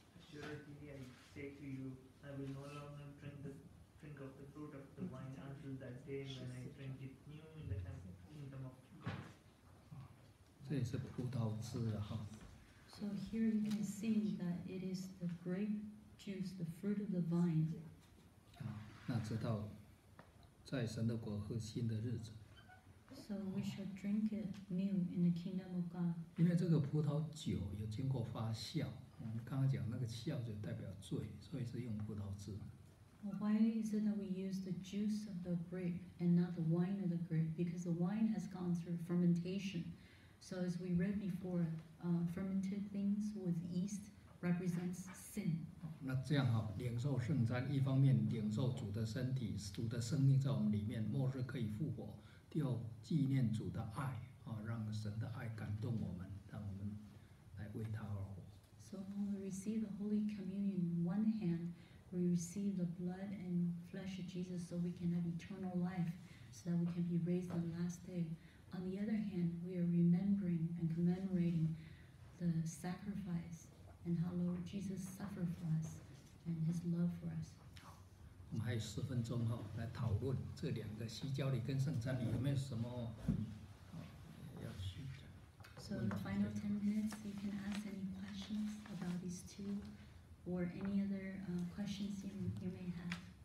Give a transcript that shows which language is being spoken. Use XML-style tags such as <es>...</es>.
<en>Surely I say to you, I will no longer drink of the fruit of the vine until that day when I drink it new in the kingdom of God.</en> <zh>这也是葡萄汁啊哈。</zh> <en>So here you can see that it is the grape juice, the fruit of the vine.</en> <zh>那直到在神的国喝新的日子。</zh> <en>So we shall drink it new in the kingdom of God.</en> <zh>因为这个葡萄酒有经过发酵，我们刚刚讲那个酵就代表罪，所以是用葡萄汁。</zh> <en>Why is it that we use the juice of the grape and not the wine of the grape? Because the wine has gone through fermentation. So as we read before,fermented things with yeast represents sin.</en> <zh>那这样哈，领受圣餐，一方面领受主的身体，主的生命在我们里面，末日可以复活；第二，纪念主的爱，让神的爱感动我们，让我们来为他而活。</zh> <en>So when we receive the Holy Communion, on one hand, we receive the blood and flesh of Jesus, so we can have eternal life, so that we can be raised on the last day. On the other hand, we are remembering and commemorating the sacrifice and how Lord Jesus suffered for us and His love for us.</en> <zh>好，我们还有十分钟哈，来讨论这两个西交礼跟圣餐礼有没有什么要需要。</zh> <en>So in the final 10 minutes, you can ask any questions about these two or any other questions you may have.</en>